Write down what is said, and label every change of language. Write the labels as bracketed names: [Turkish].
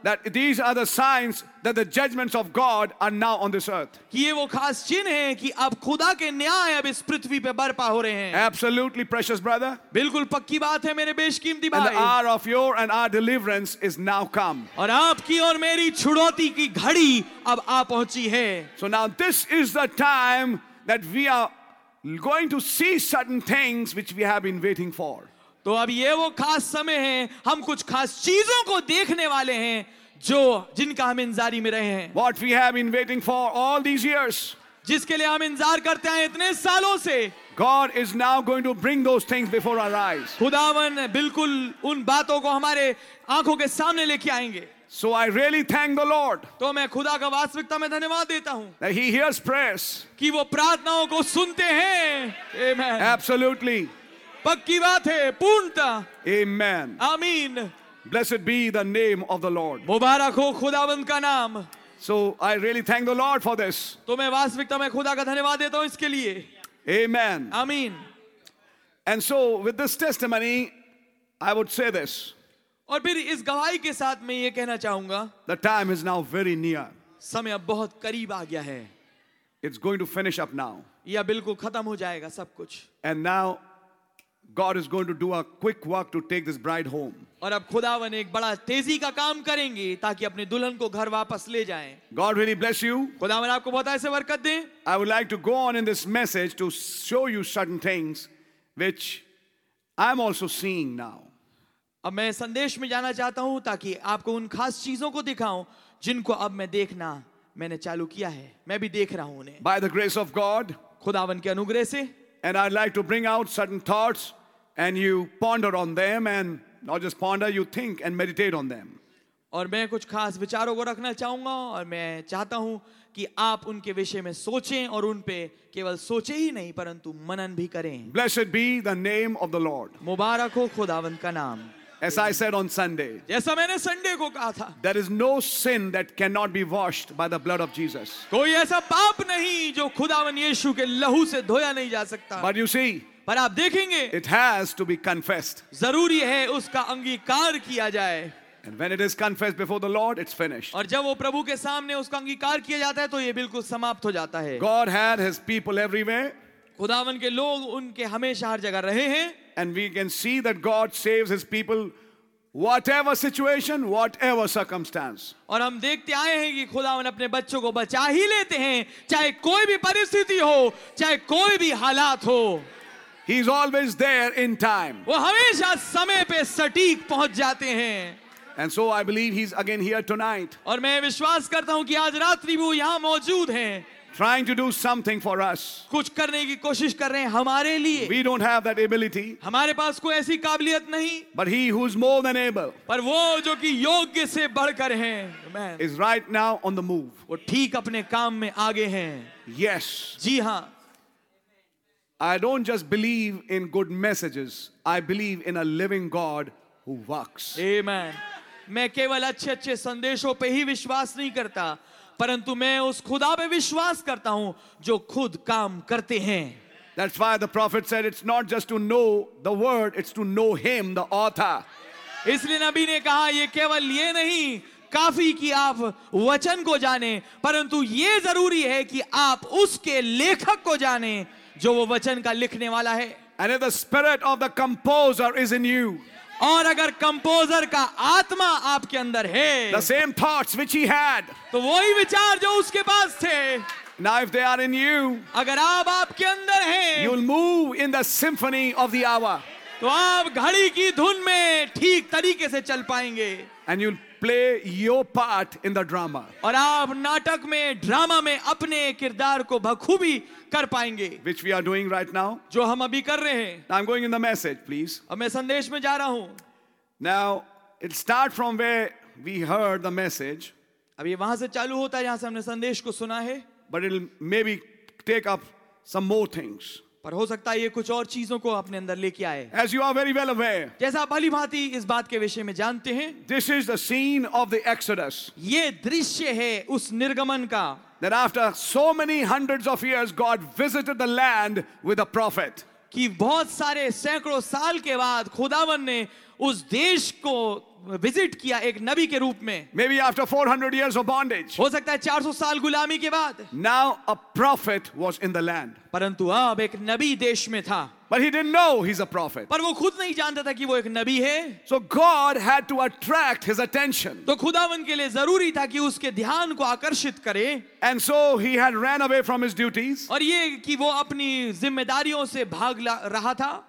[English] that these are the signs that the judgments of God are now on this earth. [Hindi] कि ये वो खास चिन्ह हैं कि अब खुदा के न्याय अब इस पृथ्वी पे बरपा हो रहे हैं. [English] Absolutely precious brother. [Hindi] बिल्कुल पक्की बात है मेरे बेशकीमती भाई. [English] And the hour of your and our deliverance is now come. [Hindi] और आपकी और मेरी छुड़ौती की घड़ी अब आ पहुंची है. [English] So now this is the time that we are going to see certain things which we have been waiting for. [Hindi] तो अब ये वो खास समय है हम कुछ खास चीजों को देखने वाले हैं जो जिनका हम इंतजारी में रहे हैं. [English] What we have been waiting for all these years. [Hindi] जिसके लिए हम इंतजार करते हैं इतने सालों से. [English] God is now going to bring those things before our eyes. [Hindi] खुदावन बिल्कुल उन बातों को हमारे आंखों के सामने लेके आएंगे. [English] So I really thank the Lord. [Hindi] तो मैं खुदा का वास्तविकता में धन्यवाद देता हूँ. [English] That He hears prayers. [Hindi] कि वो प्रार्थनाओं को सुनते हैं. [English] Amen. Absolutely. [Hindi] पक्की बात है पूर्णता. [English] Amen. [Hindi] आमीन. [English] Blessed be the name of the Lord. [Hindi] मुबारक हो खुदावंद का नाम. [English] So I really thank the Lord for this. [Hindi] तो मैं वास्तविकता में खुदा का धन्यवाद देता हूँ इसके लिए. [English] Amen. [Hindi] आमीन. [English] And so with this testimony, I would say this. [Hindi] और फिर इस गवाही के साथ मैं ये कहना चाहूंगा. [English] The time is now very near. [Hindi] समय अब बहुत करीब आ गया है. [English] It's going to finish up now. [Hindi] या बिल्कुल खत्म हो जाएगा सब कुछ. [English] And now God is going to do a quick work to take this bride home. [Hindi] और अब खुदावन एक बड़ा तेजी का काम करेंगे ताकि अपने दुल्हन को घर वापस ले जाएं. [English] God really bless you. [Hindi] खुदावन आपको बहुत ऐसे बरकत दें. [English] I would like to go on in this message to show you certain things which I'm also seeing now. [Hindi] अब मैं संदेश में जाना चाहता हूं ताकि आपको उन खास चीजों को दिखाऊं जिनको अब मैं देखना मैंने चालू किया है. मैं भी देख रहा हूं उन्हें. [English] By the grace of God, [Hindi] खुदावन के अनुग्रह से. [English] And I'd like to bring out certain thoughts and you ponder on them and not just ponder, you think and meditate on them. [Hindi] और मैं कुछ खास विचारों को रखना चाहूंगा और मैं चाहता हूं कि आप उनके विषय में सोचें और उन पे केवल सोचे ही नहीं परंतु मनन भी करें. [English] Blessed be the name of the Lord. [Hindi] मुबारक हो खुदावन का नाम. [English] As I said on Sunday, [Hindi] जैसा मैंने संडे को कहा था, [English] there is no sin that cannot be washed by the blood of Jesus. [Hindi] कोई ऐसा पाप नहीं जो खुदावन यीशु के लहू से धोया नहीं जा सकता. [English] But you see, [Hindi] पर आप देखेंगे, [English] it has to be confessed. [Hindi] जरूरी है उसका अंगीकार किया जाए. [English] And when it is confessed before the Lord, it's finished. [Hindi] और जब वो प्रभु के सामने उसका अंगीकार किया जाता है, तो ये बिल्कुल समाप्त हो जाता है. [English] God had His people everywhere. [Hindi] खुदावन के लोग उनके हमेशा हर जगह रहे हैं. [English] And we can see that God saves His people, whatever situation, whatever circumstance. [Hindi] और हम देखते आए हैं कि खुदावन अपने बच्चों को बचा ही लेते हैं, चाहे कोई भी परिस्थिति हो, चाहे कोई भी हालात हो. [English] He is always there in time. [Hindi] वो हमेशा समय पे सटीक पहुंच जाते हैं. [English] And so I believe He's again here tonight. [Hindi] और मैं विश्वास करता हूँ कि आज रात्रि भी वो यहाँ मौजूद हैं. [English] Trying to do something for us. [Hindi] कुछ करने की कोशिश कर रहे हैं हमारे लिए. [English] We don't have that ability. [Hindi] हमारे पास कोई ऐसी काबिलियत नहीं. [English] But He who's more than able. [Hindi] पर वो जो कि योग्य से बढ़कर हैं. [English] Amen. Is right now on the move. [Hindi] वो ठीक अपने काम में आगे हैं. [English] Yes. [Hindi] जी हाँ. [English] I don't just believe in good messages. I believe in a living God who works. Amen. [Hindi] मैं केवल अच्छे-अच्छे संदेशों पे ही विश्वास नहीं करता. परंतु मैं उस खुदा पे विश्वास करता हूं जो खुद काम करते हैं. [English] That's why the prophet said it's not just to know the word, it's to know him, the author. [Hindi] इसलिए नबी ने कहा ये केवल ये नहीं काफी कि आप वचन को जानें, परंतु ये जरूरी है कि आप उसके लेखक को जानें जो वो वचन का लिखने वाला है. [English] And if the spirit of the composer is in you. [Hindi] और अगर कंपोजर का आत्मा आपके अंदर है, [English] the same thoughts which he had, [Hindi] तो वही विचार जो उसके पास थे, [English] now if they are in you, [Hindi] अगर आप आपके अंदर हैं, [English] you'll move in the symphony of the hour, [Hindi] तो आप घड़ी की धुन में ठीक तरीके से चल पाएंगे, [English] and you'll play your part in the drama, [Hindi] और आप नाटक में ड्रामा में अपने किरदार को बखूबी कर पाएंगे, [English] which we are doing right now, [Hindi] जो हम अभी कर रहे हैं. [English] Now I'm going in the message, please. [Hindi] अब मैं संदेश में जा रहा हूँ. [English] Now it start from where we heard the message. [Hindi] अब ये वहाँ से चालू होता है जहाँ से हमने संदेश को सुना है. [English] But it'll maybe take up some more things. [Hindi] पर हो सकता है ये कुछ और चीजों को अपने अंदर लेके आए. [English] As you are very well aware, [Hindi] जैसा आप भली भांति इस बात के विषय में जानते हैं, [English] this is the scene of the Exodus. [Hindi] ये दृश्य है उस निर्गमन का. [English] That after so many hundreds of years, God visited the land with a prophet. [Hindi] कि बहुत सारे सैकड़ों साल के बाद खुदावन ने उस देश को विजिट किया एक नबी के रूप में. [English] Maybe after 400 years of bondage. [Hindi] हो सकता है 400 साल गुलामी के बाद. [English] Now a prophet was in the land. [Hindi] परंतु अब एक नबी देश में था. [English] But he didn't know he's a prophet. [Hindi] पर वो खुद नहीं जानता था कि वो एक नबी है. [English] So God had to attract his attention. [Hindi] तो खुदावन के लिए जरूरी था कि उसके ध्यान को आकर्षित करे. [English] And so he had ran away from his duties. [Hindi] और ये कि वो अपनी जिम्मेदारियों से भाग रहा था.